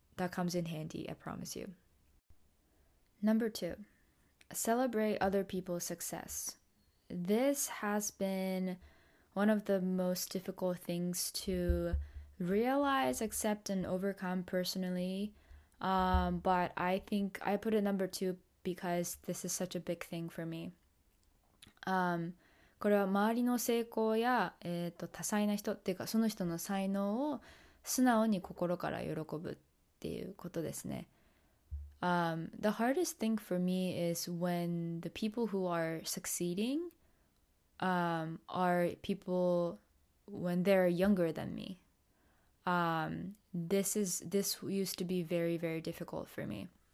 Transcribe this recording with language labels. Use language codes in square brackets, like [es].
[en] That comes in handy, I promise you. Number two, celebrate other people's success. This has been one of the most difficult things to realize, accept, and overcome personally. But I think I put it number two because this is such a big thing for me. [ja] これは周りの成功や、多彩な人っていうかその人の才能を素直に心から喜ぶっていうことですね。 [en] The hardest thing for me is when the people who are succeeding, are people when they're younger than me. This used to be very, very difficult for me.